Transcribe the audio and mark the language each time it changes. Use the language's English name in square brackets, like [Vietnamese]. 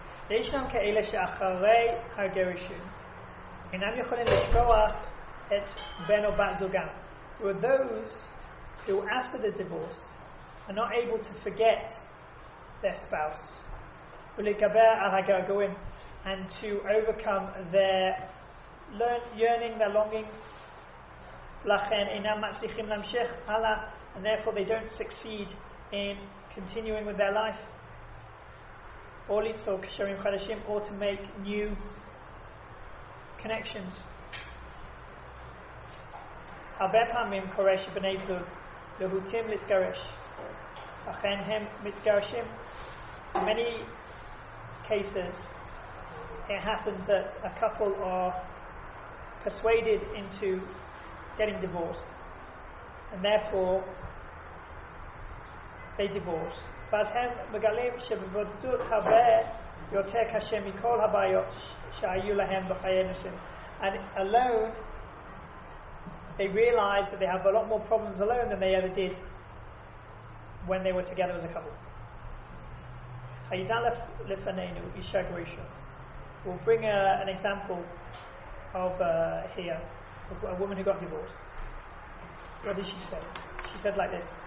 [Hebrew] ישנם כאלה שאחרי הגירושין אינם יכולים לשכוח את בן או בת זוגם. [English] There are those who, after the divorce, are not able to forget their spouse. [Hebrew] ולהתגבר על הגעגועים, [English] and to overcome their yearning, their longing. [Hebrew] לכן אינם מצליחים להמשיך הלאה, [English] and therefore they don't succeed in continuing with their life. Or [Hebrew] ליצור קשרים חדשים, [English] or to make new connections. [Hebrew] הרבה פעמים קורה שבני זוג להוטים להתגרש, אכן הם מתגרשים. [English] In many cases, it happens that a couple are persuaded into getting divorced, and therefore they divorce. [Hebrew] ואז הם מגלים שבבודדות הרבה יותר קשה מכל הבעיות שהיו להם בחיי נשים. [English] And alone, they realize that they have a lot more problems alone than they ever did when they were together as a couple. [Hebrew] הידה לפנינו אישה גרושה. [English] We'll bring an example of here, a woman who got divorced. What did she say? She said like this.